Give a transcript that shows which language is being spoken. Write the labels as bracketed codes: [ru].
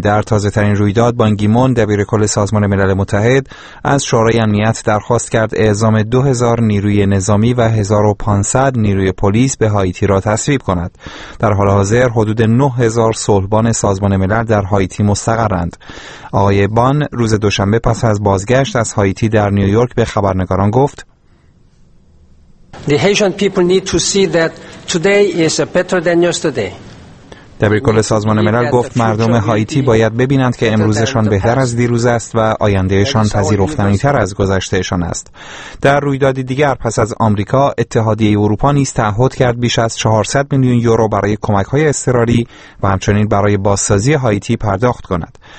[fa] در تازه‌ترین رویداد، بانگیمون دبیرکل سازمان ملل متحد از شورای امنیت درخواست کرد اعزام 2000 نیروی نظامی و 1500 نیروی پلیس به هائیتی را تصویب کند. در حال حاضر حدود 9000 صلحبان سازمان ملل در هائیتی مستقرند. آقای بان روز دوشنبه پس از بازگشت از هائیتی در نیویورک به خبرنگاران گفت: [en] The Haitian people need to see that today is better than yesterday. [fa] دبیرکل سازمان ملل گفت مردم هائیتی باید ببینند که امروزشان بهتر از دیروز است و آیندهشان پذیرفتنی‌تر از گذشتهشان است. در رویدادی دیگر، پس از آمریکا، اتحادیه اروپا نیز تعهد کرد بیش از 400 میلیون یورو برای کمک‌های اضطراری و همچنین برای بازسازی هائیتی پرداخت کند.